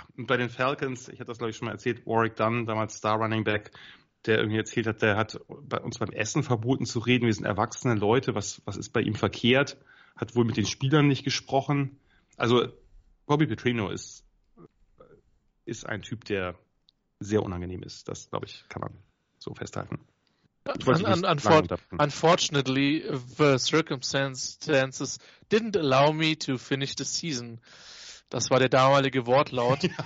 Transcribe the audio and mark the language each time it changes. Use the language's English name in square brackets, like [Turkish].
[German] Und bei den Falcons, ich hatte das, glaube ich, schon mal erzählt, Warrick Dunn, damals Star Running Back, der irgendwie erzählt hat, der hat bei uns beim Essen verboten zu reden. Wir sind erwachsene Leute. Was ist bei ihm verkehrt? Hat wohl mit den Spielern nicht gesprochen. Also Bobby Petrino ist ein Typ, der sehr unangenehm ist. Das, glaube ich, kann man so festhalten. [English] Unfortunately, the circumstances didn't allow me to finish the season. [German] Das war der damalige Wortlaut.